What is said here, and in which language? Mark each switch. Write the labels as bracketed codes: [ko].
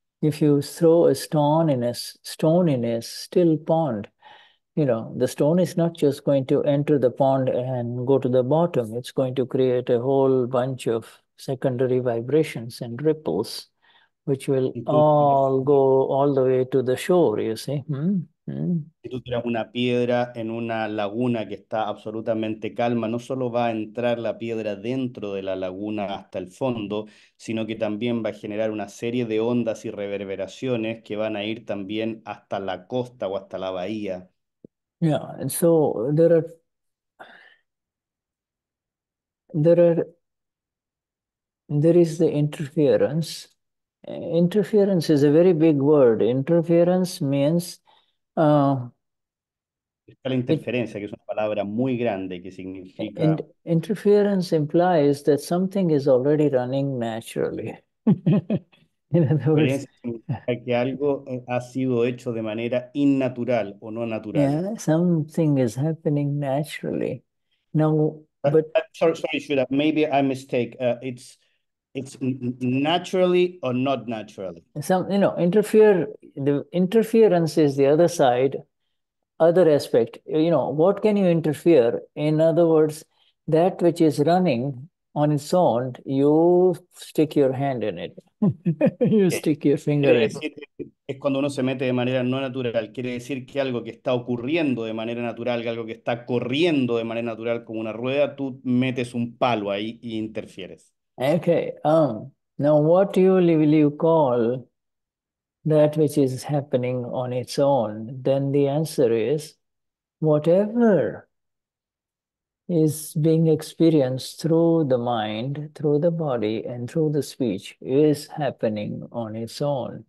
[en] If you throw a stone in a still pond, you know, the stone is not just going to enter the pond and go to the bottom. It's going to create a whole bunch of secondary vibrations and ripples, which will all go all the way to the shore, you see. [es] Si tú tiras una piedra en una laguna que está absolutamente calma, no solo va a entrar la piedra dentro de la laguna hasta el fondo, sino que también va a generar una serie de ondas y reverberaciones que van a ir también hasta la costa o hasta la bahía. [en] Yeah, and so there is the interference. Interference is a very big word. Interference means [es] la interferencia, que es una palabra muy grande, que significa... [en] Interference implies that something is already running naturally. In other words, [es] que algo ha sido hecho de manera innatural o no natural. [en] Yeah, something is happening naturally. No, but sorry, Shuddha, maybe I mistake. It's naturally or not naturally. Interference is the other side, other aspect. You know, what can you interfere? In other words, that which is running on its own, you stick your hand in it. You stick your finger in it. [es] Es cuando uno se mete de manera no natural. Quiere decir que algo que está ocurriendo de manera natural, que algo que está corriendo de manera natural como una rueda, tú metes un palo ahí y interfieres. [en] Okay. Now, what will you call that which is happening on its own? Then the answer is whatever is being experienced through the mind, through the body, and through the speech is happening on its own.